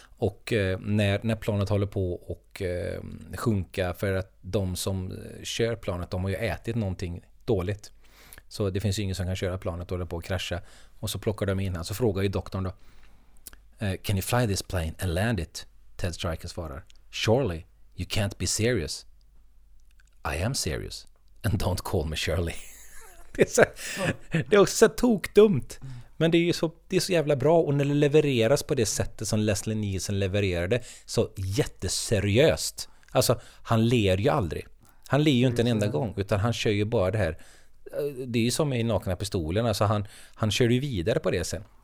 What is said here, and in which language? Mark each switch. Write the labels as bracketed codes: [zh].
[sv] Och när planet håller på och sjunka, för att de som kör planet, de har ju ätit någonting dåligt. Så det finns ju ingen som kan köra planet och håller på att krascha. Och så plockar de in här. Så frågar ju doktorn då, [en] "Can you fly this plane and land it?" [sv] Ted Stryker svarar, "Surely, you can't be serious." "I am serious. [en] And don't call me Shirley." [sv] Det är också så tokdumt. Men det är så jävla bra. Och när det levereras på det sättet som Leslie Nielsen levererade, så jätteseriöst. Alltså, han ler ju aldrig. Han ler ju inte en enda gång, utan han kör ju bara det här. Det är ju som i Nakna Pistolen, alltså han kör ju vidare på det sen.